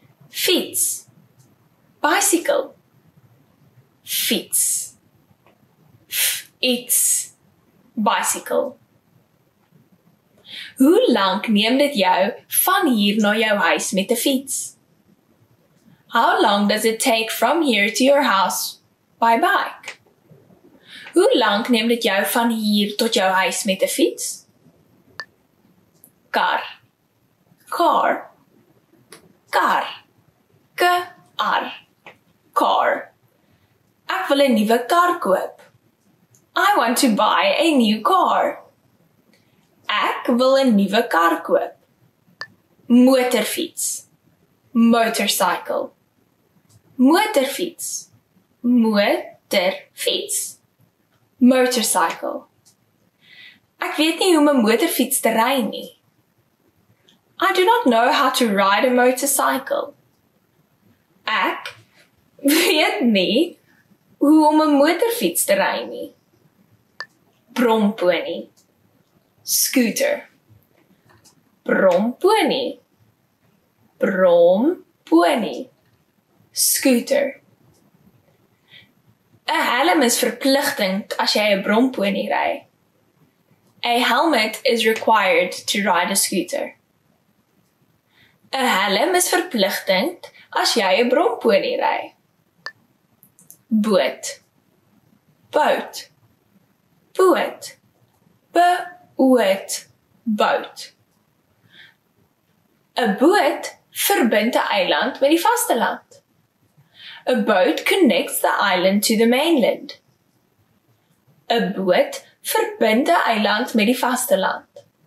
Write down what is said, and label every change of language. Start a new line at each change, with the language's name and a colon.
Afrikaans: Fiets.
English: Bicycle.
Afrikaans: Fiets. Fiets.
English: Bicycle.
Afrikaans: Hoe lank neem dit jou van hier na jou huis met 'n fiets?
English: How long does it take from here to your house by bike?
Afrikaans: Hoe lank neem dit jou van hier tot jou huis met 'n fiets?
English: Car. Car. Car. K-R. Car.
Afrikaans: Ek wil 'n nuwe kar koop.
English: I want to buy a new car.
Afrikaans: Ek wil 'n nuwe kar koop. Motorfiets.
English: Motorcycle.
Afrikaans: Motorfiets. Motorfiets.
English: Motorcycle.
Afrikaans: Ek weet nie hoe om 'n motorfiets te ry nie.
English: I do not know how to ride a motorcycle.
Afrikaans: Ek weet nie hoe om 'n motorfiets te ry nie. Bromponie.
English: Scooter.
Afrikaans: Bromponie. Bromponie.
English: Scooter.
Afrikaans: 'n Helm is verpligting as jy 'n bromponie ry.
English: A helmet is required to ride a scooter.
Afrikaans: 'n Helm is verpligting as jy 'n bromponie ry. Boot.
English: Boat.
Afrikaans: Boot. Boot. Boot. 'n Boot verbind 'n eiland met die vasteland.
English: A boat connects the island to the mainland.
Afrikaans: 'n Boot verbind 'n eiland met die vasteland.